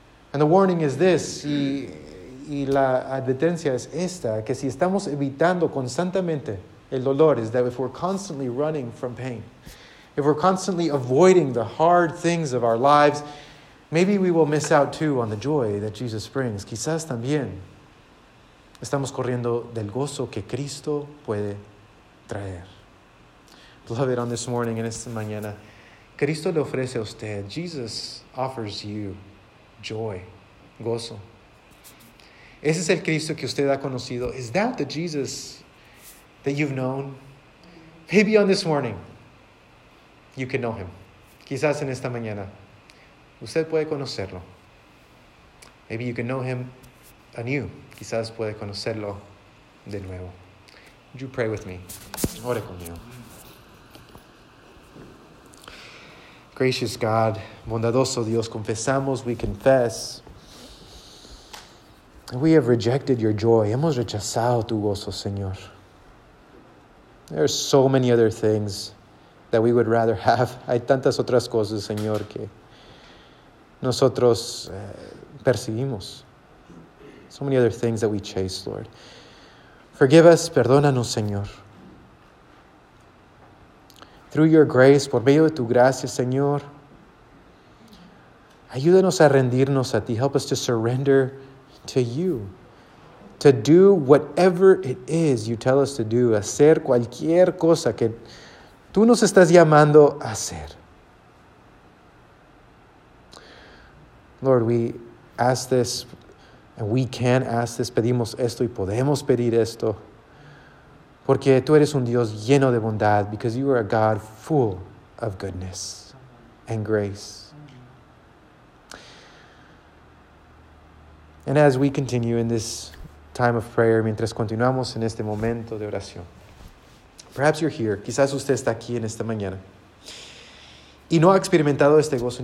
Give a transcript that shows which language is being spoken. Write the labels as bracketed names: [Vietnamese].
[English] And the warning is this, [Spanish] y la advertencia es esta, que si estamos evitando constantemente el dolor, [English] is that if we're constantly running from pain, if we're constantly avoiding the hard things of our lives, maybe we will miss out too on the joy that Jesus brings. [Spanish] Quizás también estamos corriendo del gozo que Cristo puede traer. [English] Beloved, on this morning, [Spanish] en esta mañana, Cristo le ofrece a usted, [English] Jesus offers you joy, [Spanish] gozo. Ese es el Cristo que usted ha conocido. [English] Is that the Jesus that you've known? Maybe on this morning, You can know him. [Spanish] Quizás en esta mañana, usted puede conocerlo. [English] Maybe you can know him anew. [Spanish] Quizás puede conocerlo de nuevo. [English] Would you pray with me? [Spanish] Ore conmigo. [English] Gracious God, [Spanish] bondadoso Dios, confesamos, [English] we confess. We have rejected your joy. [Spanish] Hemos rechazado tu gozo, Señor. [English] There are so many other things that we would rather have. [Spanish] Hay tantas otras cosas, Señor, que nosotros perseguimos. [English] So many other things that we chase, Lord. Forgive us, [Spanish] perdónanos, Señor. [English] Through your grace, [Spanish] por medio de tu gracia, Señor, ayúdanos a rendirnos a ti. [English] Help us to surrender to you. To do whatever it is you tell us to do. [Spanish] Hacer cualquier cosa que tú nos estás llamando a hacer. [English] Lord, we ask this, and we can ask this. [Spanish] Pedimos esto y podemos pedir esto. Porque tú eres un Dios lleno de bondad. [English] Because you are a God full of goodness and grace. And as we continue in this time of prayer, [Spanish] mientras continuamos en este momento de oración, [English] perhaps you're here. [Spanish] Quizás usted está aquí en esta mañana. Y no ha experimentado este gozo.